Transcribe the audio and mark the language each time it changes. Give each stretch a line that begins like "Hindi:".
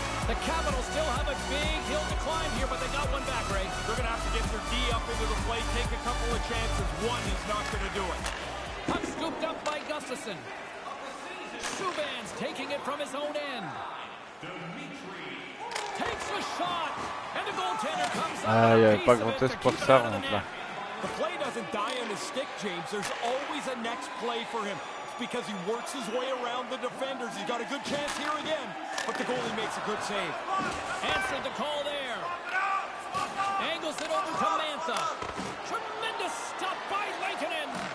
English: The Capitals still have a big hill to climb here, but they got one back, Ray. They're going to have to get their D up into the plate, take a couple of chances. One is not going to do it. Puck scooped up by Gustafson. Subban's taking it from his own end. Takes a shot, and the goaltender comes out.
French: Ah, il n'y avait pas grand espoir ça, en fait, là.
English: The play doesn't die on his stick, James. There's always a next play for him. Because he works his way around the defenders. He's got a good chance here again. But the goalie makes a good save. Answered the call there. Angles it over to Mantha. Tremendous stop by Lankinen.